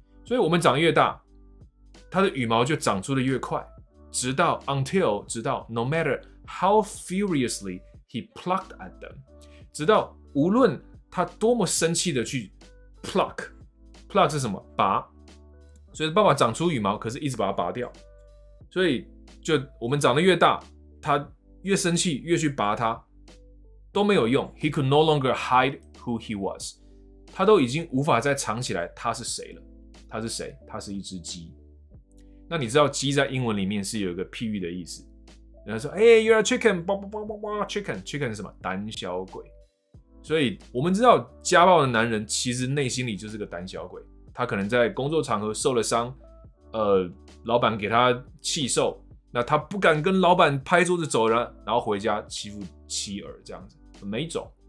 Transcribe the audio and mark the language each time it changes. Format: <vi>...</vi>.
<zh>所以我们长越大，它的羽毛就长出的越快，直到 until 直到</zh> <en>no matter how furiously he plucked at them，</en> <zh>直到无论他多么生气的去。 Pluck 是什么？拔。所以爸爸长出羽毛，可是一直把它拔掉。所以就我们长得越大，他越生气，越去拔它，都没有用。</zh> <en>He could no longer hide who he was。</en> <zh>他都已经无法再藏起来他是谁了。他是谁？他是一只鸡。那你知道鸡在英文里面是有一个譬喻的意思。人家说：“哎、</zh> <en>hey, ，you're a chicken，</en> <zh>叭叭叭叭叭 ，</zh> <en>chicken，chicken chicken</en> <zh>是什么？胆小鬼。” 所以我们知道家暴的男人其实内心里就是个胆小鬼，他可能在工作场合受了伤，老板给他气受，那他不敢跟老板拍桌子走了，然后回家欺负妻儿这样子，没种。</zh>